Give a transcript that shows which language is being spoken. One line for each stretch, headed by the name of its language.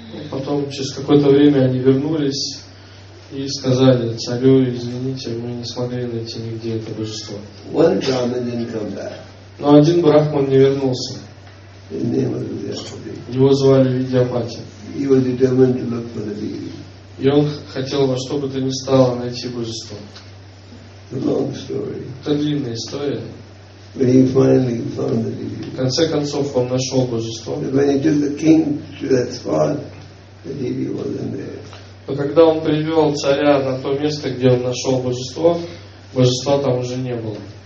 Russian: Потом через какое-то время они вернулись и сказали: царю, извините, мы не смогли найти нигде это божество.
English: One Brahman didn't come back.
Russian: Но один брахман не вернулся.
English: His name was Vidyapati.
Russian: Его звали Видьяпати.
English: He was determined to look for the deity.
Russian: И он хотел во что бы то ни стало найти божество.
English: A long story.
Russian: Это длинная история.
English: But he finally found the deity.
Russian: В конце концов он нашел божество.
English: But when he took the king to that spot, the deity wasn't there.
Russian: Но когда он привел царя на то место, где он нашел божество, божества там уже не было.